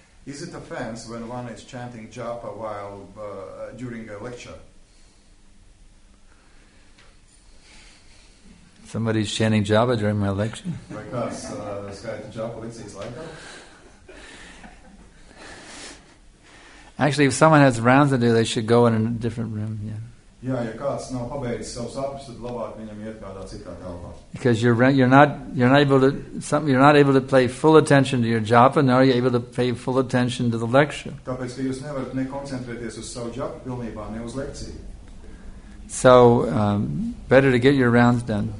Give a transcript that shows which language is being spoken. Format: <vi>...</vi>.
<en>Is it offense when one is chanting japa while during a lecture? Somebody's chanting japa during my lecture?</en> <lv>Vai kāds skaita džapu lekcijas laikā?</lv> <en>Actually, if someone has rounds to do, they should go in a different room, yeah.</en> <lv>Jā, ja kāds nav pabeidzis savus apus, tad labāk viņam iet kādā citā telpā.</lv> <en>Because you're not able to pay full attention to your japa, nor are you able to pay full attention to the lecture.</en> <lv>Tāpēc, ka jūs nevarat nekoncentrēties uz savu japu pilnībā, ne uz lekciju.</lv> <en>So, better to get your rounds done.</en>